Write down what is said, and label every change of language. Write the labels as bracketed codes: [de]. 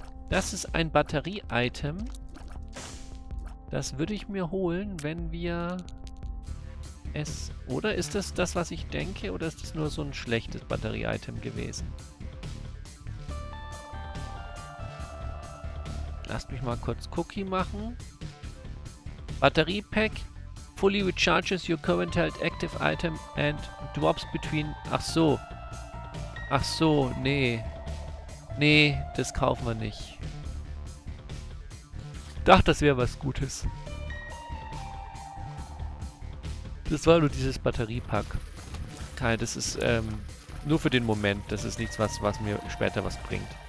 [de] Das ist ein Batterie-Item. Das würde ich mir holen, wenn wir es... Oder ist das das, was ich denke? Oder ist das nur so ein schlechtes Batterie-Item gewesen? Lasst mich mal kurz Cookie machen. [en] Batterie-Pack fully recharges your current held active item and drops between... [de] Ach so. Ach so, nee. Nee, das kaufen wir nicht. Dachte, das wäre was Gutes. Das war nur dieses Batteriepack. Kai, das ist nur für den Moment. Das ist nichts, was mir später was bringt.